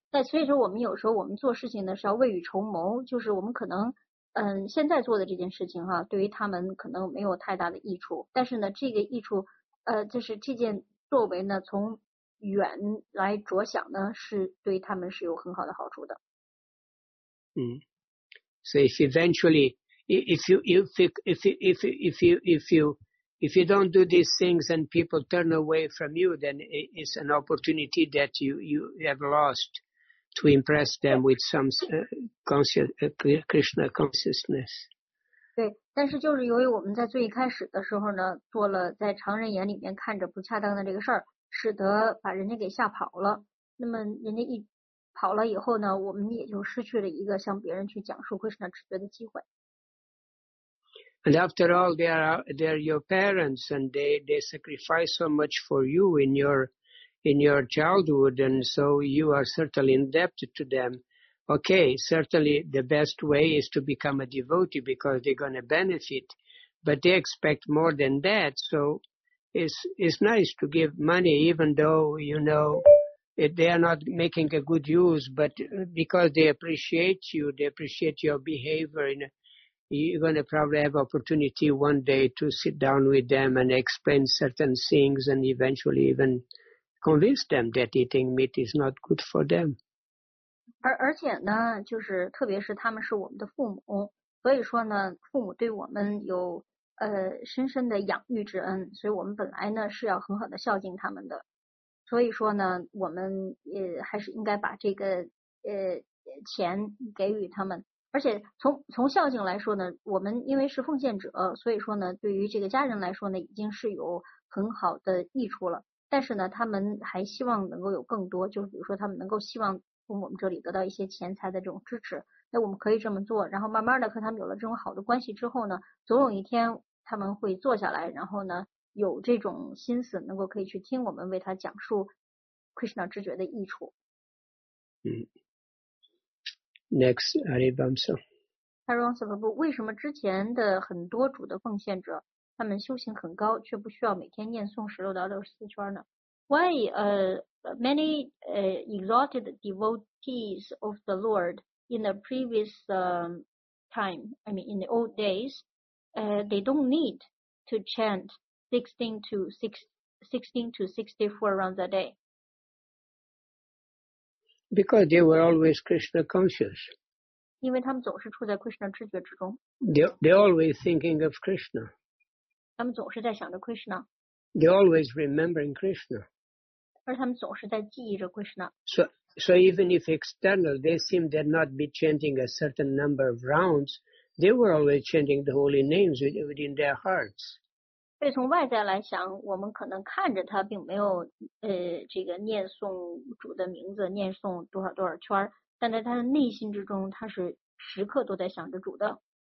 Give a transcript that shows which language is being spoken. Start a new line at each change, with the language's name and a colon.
Chinese: 但所以说我们有时候我们做事情呢是要未雨绸缪，就是我们可能现在做的这件事情哈，对于他们可能没有太大的益处，但是呢这个益处就是这件作为呢从远来着想呢是对他们是有很好的好处的。
English: So if you don't do these things and people turn away from you, then it's an opportunity that you have lost to impress them with some Krishna consciousness.
Chinese: 对，但是就是由于我们在最一开始的时候呢，做了在常人眼里面看着不恰当的这个事儿，使得把人家给吓跑了。那么人家一跑了以后呢，我们也就失去了一个向别人去讲述 Krishna 智觉的机会。
English: And after all, they are your parents, and they sacrifice so much for you in your childhood, and so you are certainly indebted to them. Okay, certainly the best way is to become a devotee because they're going to benefit, but they expect more than that. So it's nice to give money, even though you know. They are not making a good use, but because they appreciate you, they appreciate your behavior, and you're going to probably have opportunity one day to sit down with them and explain certain things and eventually even convince them that eating meat is not good for them.
Chinese: 而且呢，就是特别是他们是我们的父母，所以说呢，父母对我们有深深的养育之恩，所以我们本来呢是要很好的孝敬他们的。所以说呢，我们也还是应该把这个钱给予他们。而且从孝敬来说呢，我们因为是奉献者，所以说呢，对于这个家人来说呢，已经是有很好的益处了。但是呢，他们还希望能够有更多，就是比如说他们能够希望从我们这里得到一些钱财的这种支持。那我们可以这么做，然后慢慢的和他们有了这种好的关系之后呢，总有一天他们会坐下来，然后呢。有这种心思能够可以去听我们为他讲述 Krishna 知觉的益处。
English: Next, Aribamsa.
Chinese: Aribamsa, 为什么之前的很多主的奉献者他们修行很高却不需要每天念诵十六到六十四圈呢？
English: Why many exalted devotees of the Lord in the previous time, I mean in the old days, they don't need to chant sixteen to sixty-four rounds a day. Because they were always Krishna conscious.
Chinese: 因为他们总是处在 Krishna 知觉之中。
English: They're always thinking of Krishna.
Chinese: 他们总是在想着 Krishna.
English: They're always remembering Krishna.
Chinese: 而他们总是在记忆着 Krishna.
English: So even if external, they seem to not be chanting a certain number of rounds, they were always chanting the holy names within their hearts.
Chinese: 所以从外在来想，我们可能看着他并没有这个念诵主的名字，念诵多少多少圈，但在他的内心之中，他是时刻都在想着主的。